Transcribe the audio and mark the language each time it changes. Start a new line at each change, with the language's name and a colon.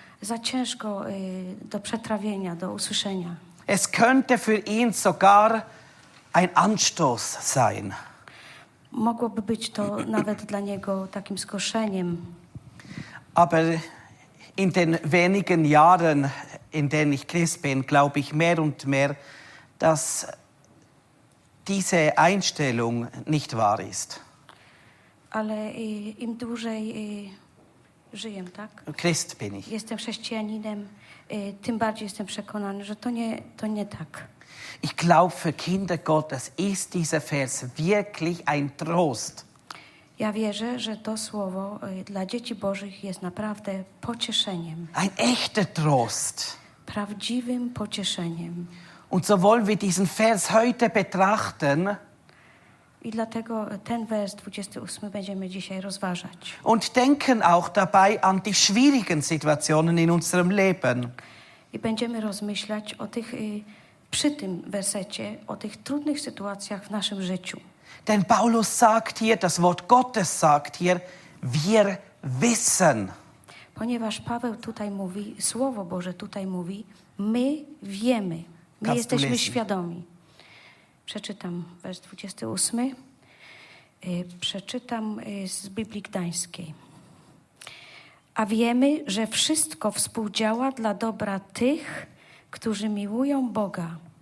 Polish: Za ciężko do przetrawienia, do usłyszenia.
German: Es könnte für ihn sogar ein Anstoß sein.
Polish: Mogłoby być to nawet dla niego takim zgorszeniem.
German: Aber in den wenigen Jahren, in denen ich Christ bin, glaube ich mehr und mehr, dass diese Einstellung nicht wahr ist.
Polish: Ale im dłużej... Żyję, tak?
German: Christ bin ich.
Polish: Jestem chrześcijaninem, tym bardziej jestem przekonany, że to nie tak.
German: Ich glaube für Kinder Gottes ist dieser Vers wirklich ein Trost.
Polish: Ja wierzę, że to słowo dla dzieci Bożych jest naprawdę pocieszeniem.
German: Ein echter Trost.
Polish: Prawdziwym pocieszeniem.
German: Und so wollen wir diesen Vers heute betrachten.
Polish: I dlatego ten wers 28 będziemy dzisiaj rozważać.
German: Und denken auch dabei an die schwierigen Situationen in unserem Leben.
Polish: I będziemy rozmyślać o tych przy tym wersecie, o tych trudnych sytuacjach w naszym życiu.
German: Denn Paulus sagt hier, das Wort Gottes sagt hier, wir wissen.
Polish: Ponieważ Paweł tutaj mówi, Słowo Boże tutaj mówi, my wiemy, my Kannst jesteśmy świadomi. Przeczytam wers 28. Przeczytam z Biblii Gdańskiej. A wiemy, że wszystko współdziała dla dobra tych, którzy miłują Boga.